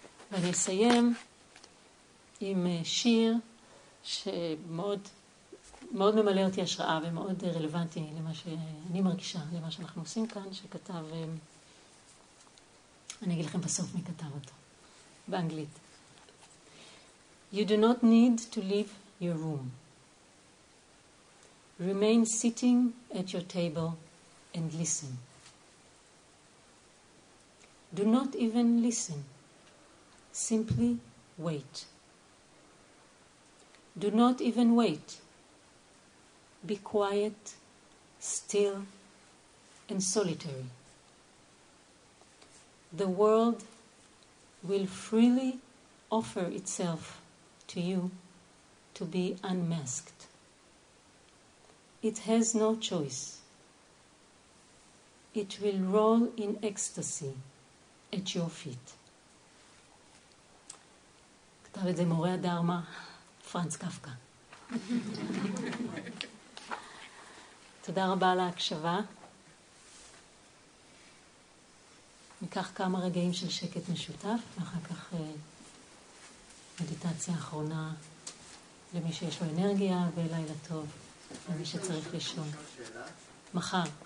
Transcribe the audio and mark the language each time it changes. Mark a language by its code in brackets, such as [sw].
[he] ואני אסיים עם שיר שמאוד מאוד ממלא אותי השראה ומאוד רלוונטי למה שאני מרגישה, למה שאנחנו עושים כאן, שכתב, אני אגיד לכם בסוף מי כתב אותו, באנגלית. [en] You do not need to leave your room. Remain sitting at your table and listen. Do not even listen. Simply wait. Do not even wait. Be quiet, still, and solitary. The world will freely offer itself to you to be unmasked. It has no choice. It will roll in ecstasy at your feet. [he] כתב את זה מורה הדרמה, פרנץ קפקה. תודה רבה על ההקשבה. ניקח כמה רגעים של שקט משותף, ואחר כך מדיטציה אחרונה למי שיש לו אנרגיה, ולילה טוב למי שצריך לישון. מחר.